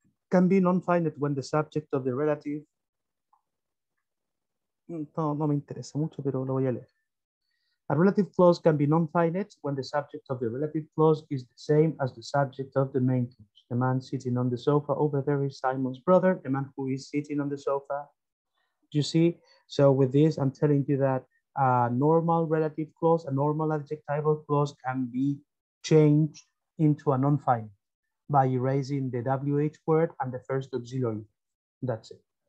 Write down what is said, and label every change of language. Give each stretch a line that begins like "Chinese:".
English: Can be non-finite when the subject of the relative.
Spanish: No me interesa mucho, pero lo voy a leer.
English: A relative clause can be non-finite when the subject of the relative clause is the same as the subject of the main clause. The man sitting on the sofa over there is Simon's brother, the man who is sitting on the sofa. Do you see? So with this, I'm telling you that a normal relative clause, a normal adjectival clause can be changed into a non-finite by erasing the WH word and the first auxiliary. That's it.